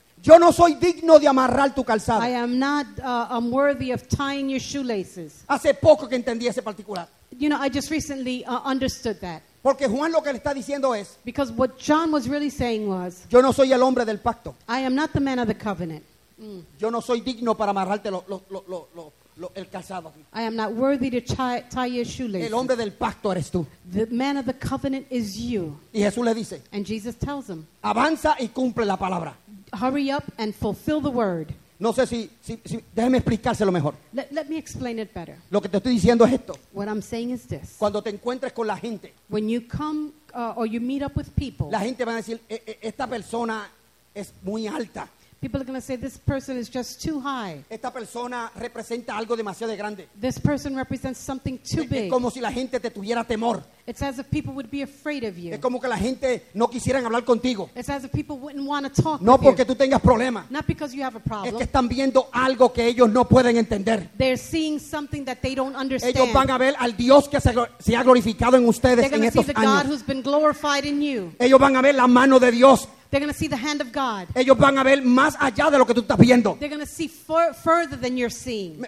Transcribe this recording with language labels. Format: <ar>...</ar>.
<es>yo no soy digno de amarrar tu calzado.</es> <en>I am not unworthy of tying your shoelaces.</en> <es>Hace poco que entendí ese particular.</es> <en>You know, I just recently understood that.</en> <es>Porque Juan lo que le está diciendo es,</es> <en>because what John was really saying was,</en> <es>yo no soy el hombre del pacto.</es> <en>I am not the man of the covenant.</en> <es>Yo no soy digno para amarrarte el calzado.</es> <en>I am not worthy to tie your shoelaces.</en> <es>El hombre del pacto eres tú.</es> <en>The man of the covenant is you.</en> <es>Y Jesús le dice,</es> <en>and Jesus tells him,</en> <es>avanza y cumple la palabra.</es> <en>Hurry up and fulfill the word.</en> <es>No sé si déjeme explicárselo mejor.</es> <en>Let me explain it better.</en> <es>Lo que te estoy diciendo es esto.</es> <en>What I'm saying is this.</en> <es>Cuando te encuentres con la gente.</es> <en>When you come or you meet up with people.</en> <es>La gente va a decir, esta persona es muy alta.</es> <en>People are going to say, this person is just too high.</en> <es>Esta persona representa algo demasiado grande.</es> <en>This person represents something too big.</en> <es>Es como si la gente te tuviera temor.</es> <en>It's as if people would be afraid of you.</en> <es>Es como que la gente no quisieran hablar contigo.</es> <en>It's as if people wouldn't want to talk</en> <es>no</es> <en>with</en> <es>porque</es> <en>you.</en> <es>Tú tengas problemas.</es> <en>Not because you have a problem.</en> <es>Es que están viendo algo que ellos no pueden entender.</es> <en>They're seeing something that they don't understand.</en> <es>Ellos van a ver al Dios que se ha glorificado en ustedes en estos años.</es> <en>They're going to see the God who's been glorified in you.</en> <es>Ellos van a ver la mano de Dios</es> <en>They're going to see the hand of God.</en> <es>Ellos van a ver más allá de lo que tú estás viendo.</es> <en>They're going to see further than you're seeing.</en>